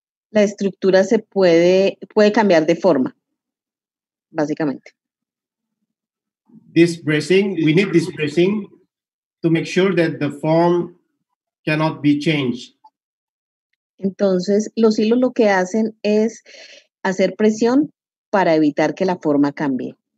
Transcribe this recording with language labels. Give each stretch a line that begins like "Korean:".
Spanish: La estructura se puede cambiar de forma, básicamente.
English: This bracing, we need this bracing to make sure that the form cannot be changed.
Spanish: Entonces, los hilos lo que hacen es hacer presión para evitar que la forma cambie.